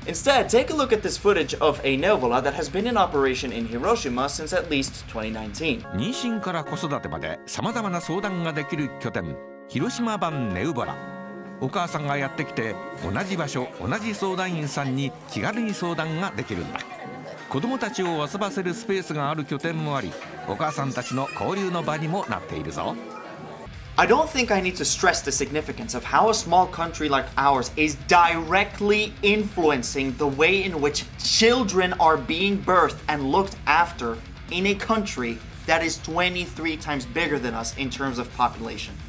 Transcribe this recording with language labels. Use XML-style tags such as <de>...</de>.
<en>Instead, take a look at this footage of a Neuvola that has been in operation in Hiroshima since at least 2019.</en> <ja>妊娠から子育てまで様々な相談ができる拠点、広島版ネウボラ。お母さんがやってきて、同じ場所、同じ相談員さんに気軽に相談ができるんだ。子供たちを遊ばせるスペースがある拠点もあり、お母さんたちの交流の場にもなっているぞ。</ja> <en>I don't think I need to stress the significance of how a small country like ours is directly influencing the way in which children are being birthed and looked after in a country that is 23 times bigger than us in terms of population.</en>